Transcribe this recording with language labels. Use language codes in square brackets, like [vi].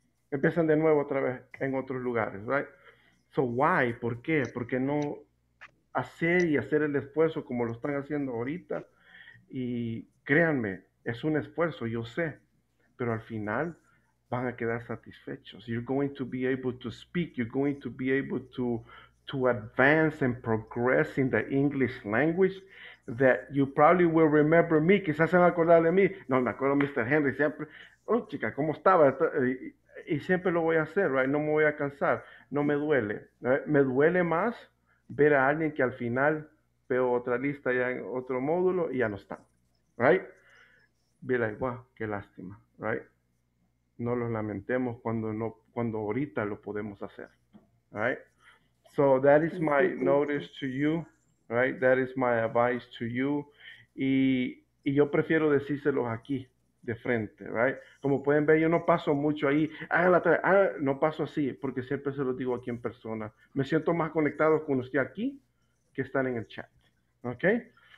[es] Empiezan de nuevo otra vez en otros lugares, right? [en] So why? [es] ¿Por qué? Porque no hacer el esfuerzo como lo están haciendo ahorita. Y créanme, es un esfuerzo, yo sé, pero al final van a quedar satisfechos. [en] You're going to be able to speak. You're going to be able to advance and progress in the English language that you probably will remember me. [es] Quizás se van a acordar de mí. No, me acuerdo de Mr. Henry siempre. Oh, chica, ¿cómo estaba? Y siempre lo voy a hacer, right? No me voy a cansar. No me duele. Right? Me duele más ver a alguien que al final veo otra lista ya en otro módulo y ya no está, right? [en] Be like, wow, [es] qué lástima, right? No los lamentemos cuando ahorita lo podemos hacer, right? [en] So that is my notice to you, right? That is my advice to you. [es] Y yo prefiero decírselos aquí, de frente, right? Como pueden ver, yo no paso mucho ahí, no paso así, porque siempre se los digo aquí en persona. Me siento más conectado con usted aquí que estar en el chat, okay?